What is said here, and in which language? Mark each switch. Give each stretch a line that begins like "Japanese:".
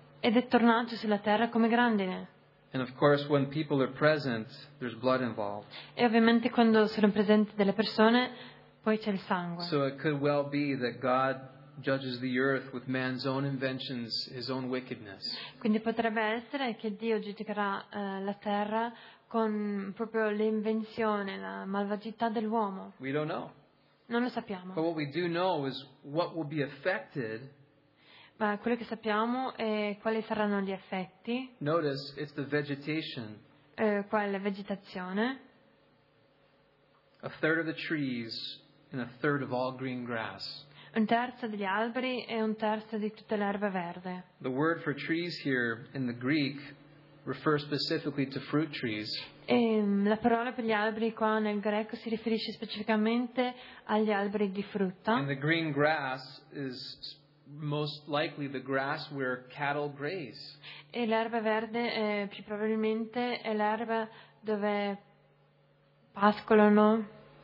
Italian: Ed è tornato sulla terra come grandine.
English: And of course, when people are present, there's blood involved.
Italian: E ovviamente quando sono presenti delle persone, poi c'è il sangue.
English: So it could well be that God judges the earth with man's own inventions, his own wickedness.
Italian: Quindi potrebbe essere che Dio giudicherà la terra con proprio l'invenzione, la malvagità dell'uomo.
English: We don't know.
Italian: Non lo sappiamo.
English: But what we do know is what will be affected.
Italian: Ma quello che sappiamo è quali saranno gli effetti.
English: Notice it's the vegetation.
Italian: Qua è la vegetazione.
English: A third of the trees and a third of all green grass.
Italian: Un terzo degli alberi e un terzo di tutte le erbe verde.
English: The word for trees here in the Greek refers specifically to fruit trees.
Italian: E la parola per gli alberi qua nel greco si riferisce specificamente agli alberi di frutta.
English: And the green grass is most likely the grass where cattle graze.
Italian: E l'erba verde è più probabilmente è l'erba dove pascolano.